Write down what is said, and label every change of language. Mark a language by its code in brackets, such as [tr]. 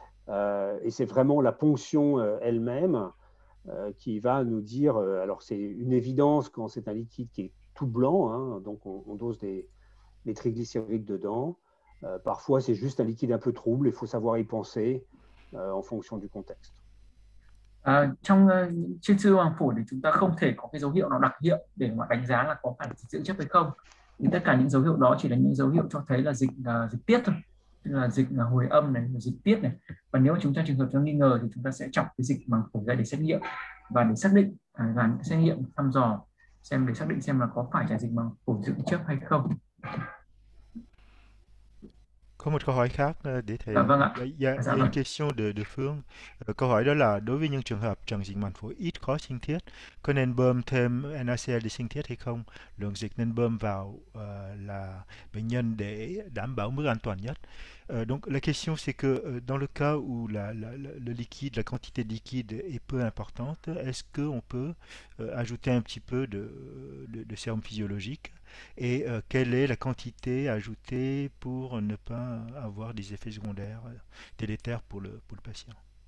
[fr] Et c'est vraiment la ponction elle-même qui va nous dire, alors c'est une évidence quand c'est un liquide qui est tout blanc, hein, donc on dose des triglycérides dedans. Parfois, c'est juste un liquide un peu trouble, il faut savoir y penser en fonction du contexte. [vi] Trong trên siêu âm phổi thì chúng ta không thể có cái dấu hiệu nào đặc hiệu để mà đánh giá là có phải dị ứng chấp hay không, thì tất cả những dấu hiệu đó chỉ là những dấu hiệu cho thấy là dịch dịch tiết thôi, tức là dịch hồi âm này, dịch tiết này. Và nếu chúng ta trường hợp cho nghi ngờ thì chúng ta sẽ chọc cái dịch màng phổi ra để xét nghiệm và để xác định và xét nghiệm thăm dò xem để xác định xem là có phải là dịch màng phổi dị ứng chấp hay không. Có một câu hỏi khác để thầy. Vâng ạ, Dạ, dạ [fr] une [vi] vâng. [fr] question de Phương. [vi] Câu hỏi đó là đối với những trường hợp trong dịch màng phổi ít khó sinh thiết, có nên bơm thêm NaCl để sinh thiết hay không? Lượng dịch nên bơm vào là bệnh nhân để đảm bảo mức an toàn nhất. [fr] Donc la question c'est que dans le cas où le liquide, la quantité de liquide est peu importante, est-ce qu'on peut ajouter un petit peu de sérum physiologique? Et quelle est la quantité ajoutée pour ne pas avoir des effets secondaires délétères pour le patient?